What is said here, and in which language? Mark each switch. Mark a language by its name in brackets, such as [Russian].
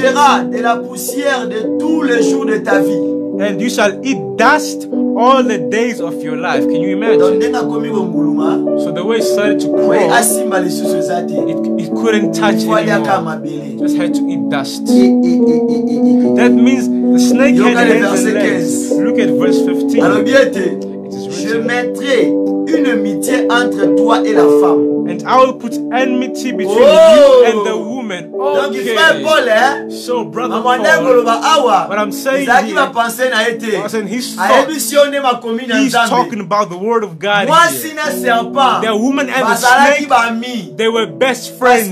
[French] de la poussière de tous les jours de ta vie. [English] And you shall eat dust all the days of your life. Can you imagine? So the way it started to crawl, it couldn't touch anymore. Just had to eat dust. That means the snake had hands and legs. Look at verse 15. [French] Je mettrai une amitié entre toi et la femme. [English] And I will put enmity between you and the woman. [French] Okay. Donc, Paul, [English] so, brother Paul, what I'm saying here, I'm saying his thought, he's talking about the word of God here. The woman and the snake, they were best friends.